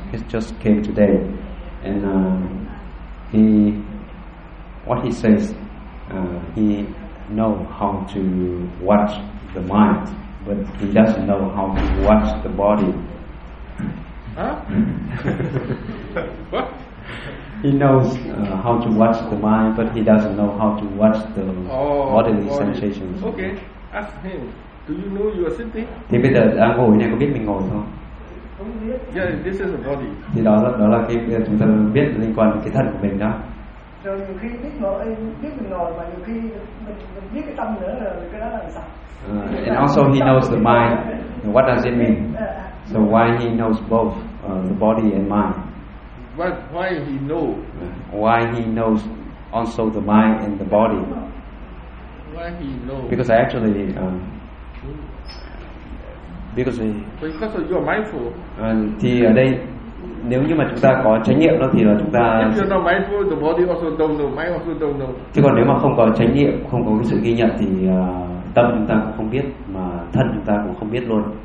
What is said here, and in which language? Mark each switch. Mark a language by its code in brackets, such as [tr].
[en] He just came today, and he, what he says, he know how to watch the mind, but he doesn't know how to watch the body. Huh? What? He knows how to watch the mind, but he doesn't know how to watch the bodily sensations. Okay, ask him. Do you know you are sitting? [vi] Thì bây giờ đang ngồi này có biết mình ngồi không? [en] Yeah, this is a body. [vi] Thì đó là cái chúng ta biết liên quan đến cái thân của mình đó. Rồi nhiều khi biết ngồi, biết mình ngồi, mà nhiều khi mình biết cái tâm nữa rồi, cái đó là sao? [en] And also he knows the mind. What does it mean? So why he knows both the body and mind? Why he know? Why he knows also the mind and the body? Why he know? Because I actually. Because of your mindful. [vi] Thì ở đây nếu như mà chúng ta có chánh niệm đó thì là chúng ta. [en] If you're not mindful, the body also don't know. Mind also don't know. [vi] Chứ còn nếu mà không có chánh niệm, không có cái sự ghi nhận thì tâm chúng ta cũng không biết, mà thân chúng ta cũng không biết luôn.